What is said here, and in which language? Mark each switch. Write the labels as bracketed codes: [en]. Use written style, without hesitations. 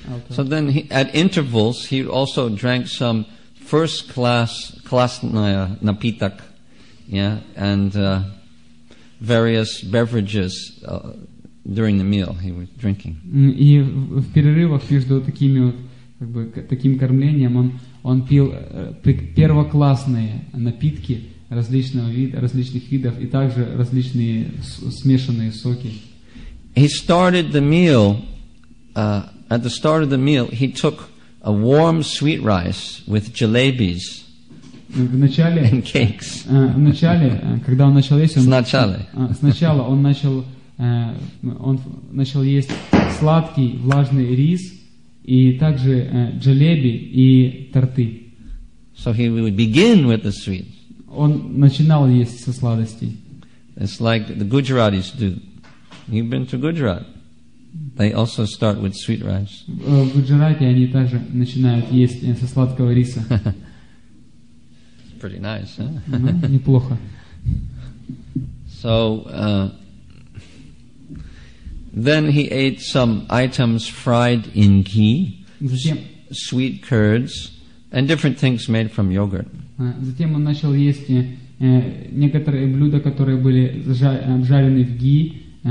[en] So then he, at intervals he also drank some first class [ru] klasnaya napitak, [en] yeah, and various beverages during the meal he was drinking. [ru] И в перерывах между такими вот как бы таким кормлением он пил первоклассные напитки различных видов и также различные смешанные соки. [en] He started the meal at the start of the meal he took a warm sweet rice with jalebis and cakes. [ru] В начале, когда он начал есть, сначала он начал есть сладкий влажный рис и также джалеби и торты. [en] So he would begin with the sweets. [ru] Он начинал есть со сладостей. [en] It's like the Gujaratis do. You've been to Gujarat? They also start with sweet rice. [ru] В Гуджарате они также начинают есть со сладкого риса. [en] Pretty nice, huh? [ru] Неплохо. [en] So, then he ate some items fried in ghee, sweet curds, and different things made from yogurt. [ru] Затем он начал есть некоторые блюда, которые были обжарены в ги.